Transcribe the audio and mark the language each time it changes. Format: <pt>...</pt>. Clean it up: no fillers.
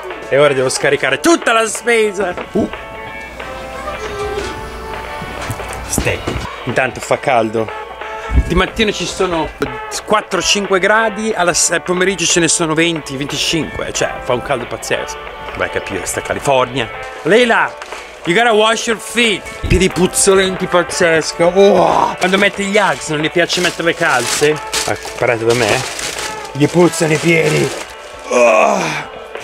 <it>E ora devo scaricare tutta la spesa! St- Intanto fa caldo. Di mattina ci sono 4-5 gradi, al pomeriggio ce ne sono 20-25, cioè fa un caldo pazzesco. Vai a capire, sta California.</it> <en>Leila, you gotta wash your feet.</en> <it>Piedi puzzolenti pazzesco. Oh, quando mette gli Uggs non gli piace mettere le calze? Ecco, parlate da me. Gli puzzano i piedi. Oh.</it>